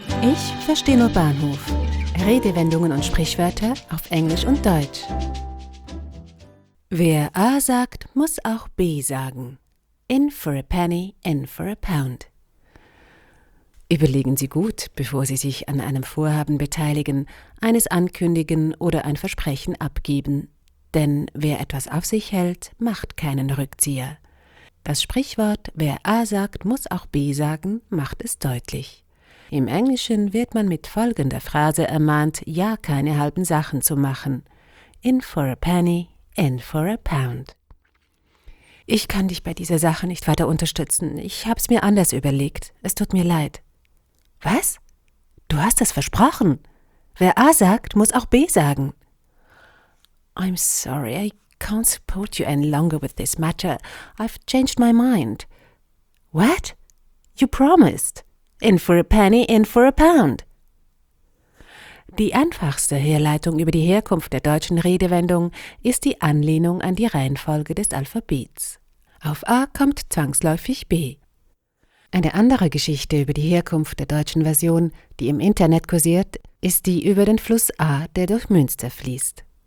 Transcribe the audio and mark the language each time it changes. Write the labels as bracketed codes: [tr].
[de] Ich verstehe nur Bahnhof. Redewendungen und Sprichwörter auf Englisch und Deutsch. Wer A sagt, muss auch B sagen. [en] In for a penny, in for a pound. [de] Überlegen Sie gut, bevor Sie sich an einem Vorhaben beteiligen, eines ankündigen oder ein Versprechen abgeben. Denn wer etwas auf sich hält, macht keinen Rückzieher. Das Sprichwort, wer A sagt, muss auch B sagen, macht es deutlich. Im Englischen wird man mit folgender Phrase ermahnt, ja keine halben Sachen zu machen. [en] In for a penny, in for a pound. [de] Ich kann dich bei dieser Sache nicht weiter unterstützen. Ich hab's mir anders überlegt. Es tut mir leid. Was? Du hast es versprochen. Wer A sagt, muss auch B sagen. [en] I'm sorry, I can't support you any longer with this matter. I've changed my mind. What? You promised. In for a penny, in for a pound. [de] Die einfachste Herleitung über die Herkunft der deutschen Redewendung ist die Anlehnung an die Reihenfolge des Alphabets. Auf A kommt zwangsläufig B. Eine andere Geschichte über die Herkunft der deutschen Version, die im Internet kursiert, ist die über den Fluss A, der durch Münster fließt.